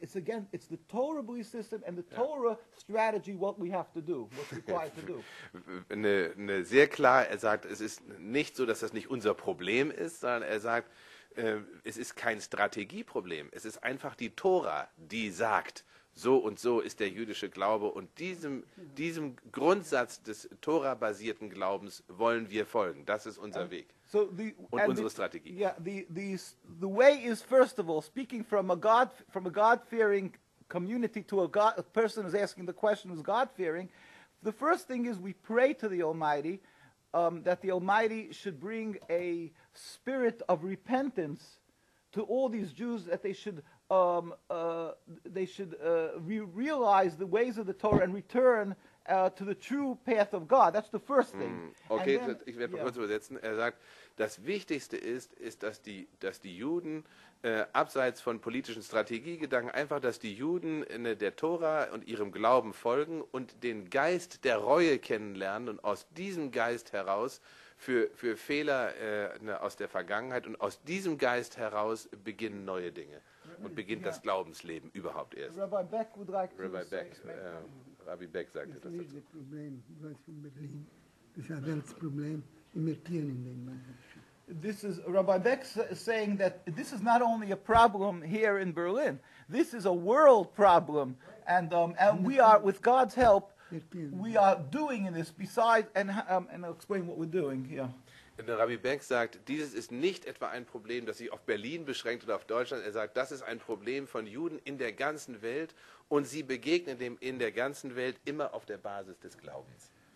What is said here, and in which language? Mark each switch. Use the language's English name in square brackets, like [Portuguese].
[English] It's again, it's the Torah belief system and the Torah strategy, what we have to do, what's required to do. [German] Ne, sehr klar, er sagt, es ist nicht so, dass das nicht unser Problem ist, sondern er sagt, es ist kein Strategieproblem. Es ist einfach die Torah, die sagt, so und so ist der jüdische Glaube und diesem Grundsatz des Torah-basierten Glaubens wollen wir folgen. Das ist unser Weg. So unsere Strategie. [English] Yeah, the way is, first of all, speaking from a God-fearing community to a person who's asking the question who's God-fearing, the first thing is we pray to the Almighty that the Almighty should bring a spirit of repentance to all these Jews, that they should realize the ways of the Torah and return to the true path of God. That's the first thing. Okay, then, [German] ich werde kurz übersetzen. Er sagt, das Wichtigste ist, dass die Juden abseits von politischen Strategiegedanken einfach, dass die Juden in der Tora und ihrem Glauben folgen und den Geist der Reue kennenlernen und aus diesem Geist heraus für Fehler aus der Vergangenheit und aus diesem Geist heraus beginnen neue Dinge und beginnt das Glaubensleben überhaupt erst. [English] Rabbi Beck would like to [German] Rabbi Beck, Rabbi Beck sagte das dazu. [English] This is Rabbi Beck saying that this is not only a problem here in Berlin. This is a world problem, and we are, with God's help, we are doing this. Besides, and I'll explain what we're doing here. [German] Und Rabbi Beck sagt, dieses ist nicht etwa ein Problem, das sich auf Berlin beschränkt oder auf Deutschland. Er sagt, das ist ein Problem von Juden in der ganzen Welt, und sie begegnen dem in der ganzen Welt immer auf der Basis des Glaubens.